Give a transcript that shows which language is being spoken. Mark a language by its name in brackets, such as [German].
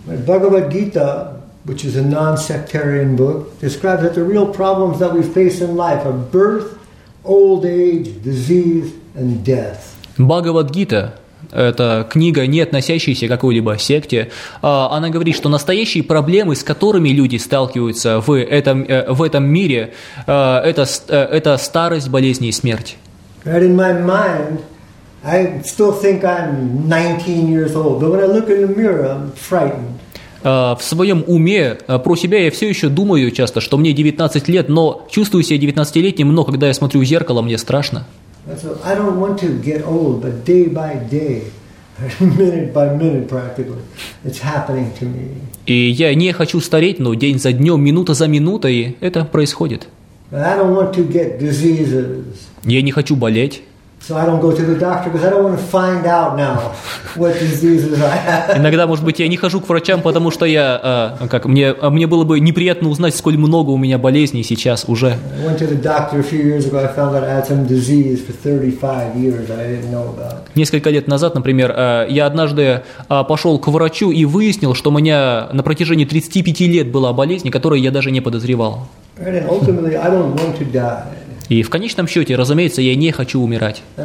[English] Bhagavad Gita, which is a non-sectarian book, describes that the real problems that we face in life are birth, old age, disease, and death. [Russian] Bhagavad Gita. Это книга, не относящаяся к какой-либо секте. Она говорит, что настоящие проблемы, с которыми люди сталкиваются в этом мире, это старость, болезни и смерть. [English] Right in my mind, I still think I'm 19 years old, but when I look in the mirror, I'm frightened. [Russian] В своем уме, про себя я все еще думаю часто, что мне 19 лет, но чувствую себя 19-летним, но когда я смотрю в зеркало, мне страшно. [English] So I don't want to get old, but day by day, minute by minute, practically, it's happening to me. [Russian] И я не хочу стареть, но день за днем, минута за минутой, это происходит. [English] I don't want to get diseases. [Russian] Я не хочу болеть. [English] So I don't go to the doctor because I don't want to find out now what diseases I have. [Russian] Иногда, может быть, я не хожу к врачам, потому что я, как мне было бы неприятно узнать, сколь много у меня болезней сейчас уже. [English] I went to the doctor a few years ago. I found out I had some disease for 35 years that I didn't know about. [Russian] Несколько лет назад, например, я однажды пошел к врачу и выяснил, что у меня на протяжении 35 лет была болезнь, которую я даже не подозревал. [English] And ultimately, I don't want to die. [Russian] И в конечном счете, разумеется, я не хочу умирать.